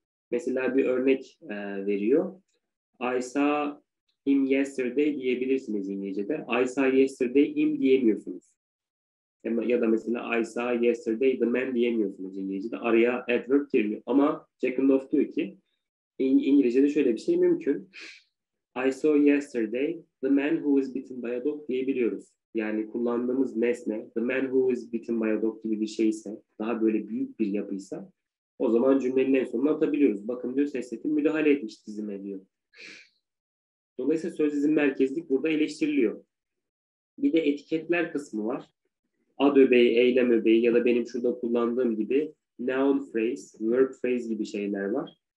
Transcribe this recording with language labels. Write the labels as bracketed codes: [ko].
[tr] Mesela bir örnek veriyor. [en] I saw him yesterday [tr] diyebilirsiniz İngilizce'de. [en] I saw yesterday him [tr] diyemiyorsunuz. Ya da mesela [en] I saw yesterday the man [tr] diyemiyorsunuz İngilizce'de. Araya adverb giriyor. Ama Jackendoff diyor ki İngilizce'de şöyle bir şey mümkün. [en] I saw yesterday the man who was bitten by a dog [tr] diyebiliyoruz. Yani kullandığımız nesne [en] the man who is bitten by a dog [tr] gibi bir şeyse, daha böyle büyük bir yapıysa, o zaman cümlenin en sonuna atabiliyoruz. Bakın diyor, ses setim müdahale etmiş dizime diyor. Dolayısıyla söz dizim merkezlik burada eleştiriliyor. Bir de etiketler kısmı var. Ad öbeği, eylem öbeği ya da benim şurada kullandığım gibi noun phrase, verb phrase gibi şeyler var.